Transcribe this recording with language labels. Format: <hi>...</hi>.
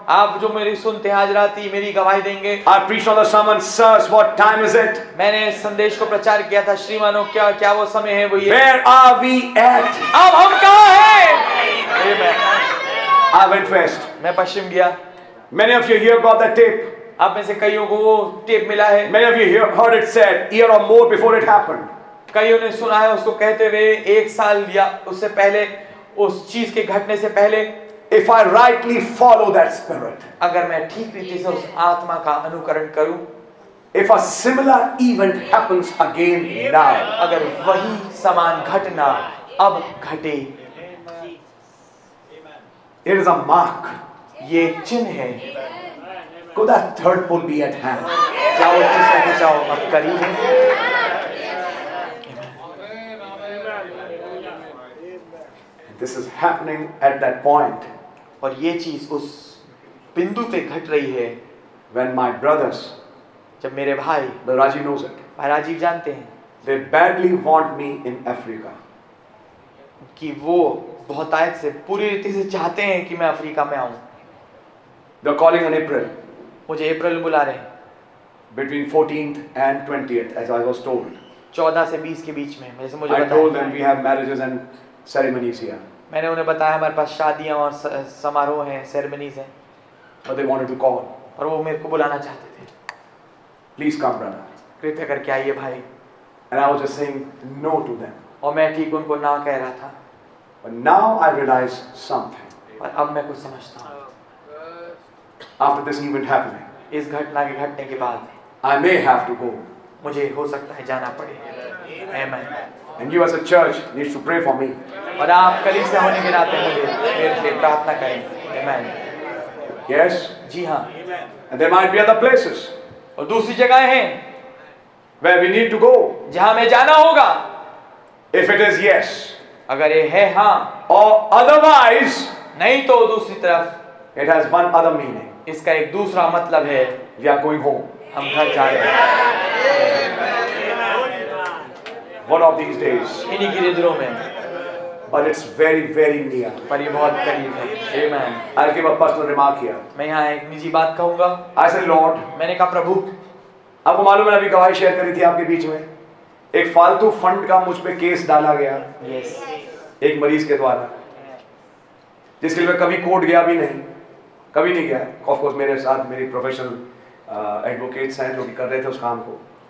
<hi>आप जो मेरी सुनते हैं आज रात ही मेरी गवाही देंगे.</hi> <en>I preached on the sermon, sirs, what time is it?</en> <hi>मैंने संदेश को प्रचार किया था श्रीमानों क्या क्या वो समय है वो ये.</hi> <en>Where are we at?</en> <hi>अब हम कहाँ हैं? Amen.</hi> <en>I went west.</en> <hi>मैं पश्चिम गया.</hi> <en>Many of you here got that tape.</en> <hi>आप में से कईयों को वो टेप मिला है.</hi> <en>Many of you here heard it said year or more before it happened.</en> <hi>कईयों ने सुना है उसको कहते हुए एक साल या उससे पहले उस चीज के घटने से पहले.</hi> <en>If I rightly follow that spirit.</en> <hi>अगर मैं ठीक रीति से उस आत्मा का अनुकरण करूं.</hi> <en>If a similar event happens again now.</en> <hi>अगर वही समान घटना अब घटे.</hi> <en>It is a mark.</en> <hi>ये चिन्ह है.</hi> <en>Could that third pole be at hand?</en> <hi>जाओ जिस तरह जाओ अब करीब है.</hi> <en>This is happening at that point.</en> <hi>और ये चीज उस बिंदु पे घट रही है.</hi> <en>When my brothers,</en> <hi>जब मेरे भाई,</hi> <en>the Raji knows it.</en> <hi>भाई राजीव जानते हैं.</hi> <en>They badly want me in Africa.</en> <hi>कि वो बहुतायत से पूरी रीति से चाहते हैं कि मैं अफ्रीका में आऊं.</hi> <en>They're calling in April.</en> <hi>मुझे अप्रैल बुला रहे हैं.</hi> <en>Between 14th and 20th, as I was told.</en> <hi>14 से 20 के बीच में, जैसे मुझे</hi> <en>I</en> <hi>बताया.</hi> <en>I told them we have marriages and ceremonies here.</en> <hi>मैंने उन्हें बताया हमारे पास शादियां और समारोह हैं, ceremonies हैं.</hi> <en>But they wanted to call.</en> <hi>और वो मेरे को बुलाना चाहते थे.</hi> <en>Please come, brother.</en> <hi>कृपया करके आइए भाई.</hi> <en>And I was just saying no to them.</en> <hi>और मैं ठीक उनको ना कह रहा था.</hi> <en>But now I realize something.</en> <hi>और अब मैं कुछ समझता हूँ.</hi> <en>After this event happening.</en> <hi>इस घटना के घटने के बाद.</hi> <en>I may have to go.</en> <hi>मुझे हो सकता है जाना पड़े.</hi> <en>Amen. And you as a church need to pray for me.</en> <hi>और आप कलीसिया होने के नाते मुझे मेरे लिए प्रार्थना करें.</hi> <en>Amen. Yes.</en> <hi>जी हाँ.</hi> <en>And there might be other places.</en> <hi>और दूसरी जगहें हैं.</hi> <en>Where we need to go.</en> <hi>जहाँ मैं जाना होगा.</hi> <en>If it is yes.</en> <hi>अगर ये है हाँ.</hi> <en>Or otherwise.</en> <hi>नहीं तो दूसरी तरफ.</hi> <en>It has one other meaning.</en> <hi>इसका एक दूसरा मतलब है.</hi> <en>We are going home.</en> <hi>हम घर जा रहे हैं.</hi> <en>One of these days.</en> <hi>इन्हीं की दिनों में.</hi> <en>But it's very, very near.</en> <hi>पर ये बहुत करीब है. Amen.</hi> <en>I'll give a personal remark here.</en> <hi>मैं यहाँ एक निजी बात कहूँगा.</hi> <en>I said, Lord.</en> <hi>मैंने कहा प्रभु. आपको मालूम है अभी गवाही शेयर करी थी आपके बीच में. एक फालतू फंड का मुझ पे केस डाला गया.</hi> <en>Yes.</en> <hi>एक मरीज के द्वारा. जिसके लिए कभी कोर्ट गया भी नहीं. कभी नहीं गया. ऑफ कोर्स मेरे साथ मेरी प्रोफेशनल एडवोकेट्स हैं जो कि कर रहे थे उस काम को.</hi>